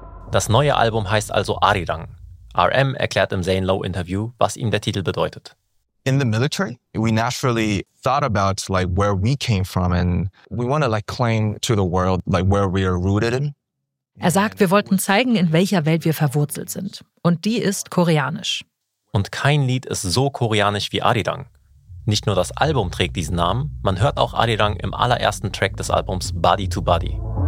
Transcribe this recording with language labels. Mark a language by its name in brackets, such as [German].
[German] Das neue Album heißt also Arirang. RM erklärt im Zane Lowe Interview, was ihm der Titel bedeutet. [English] In the military, we naturally thought about like where we came from and we want to like claim to the world like where we are rooted in. [German] Er sagt, wir wollten zeigen, in welcher Welt wir verwurzelt sind. Und die ist koreanisch. Und kein Lied ist so koreanisch wie Arirang. Nicht nur das Album trägt diesen Namen, man hört auch Arirang im allerersten Track des Albums Body to Body.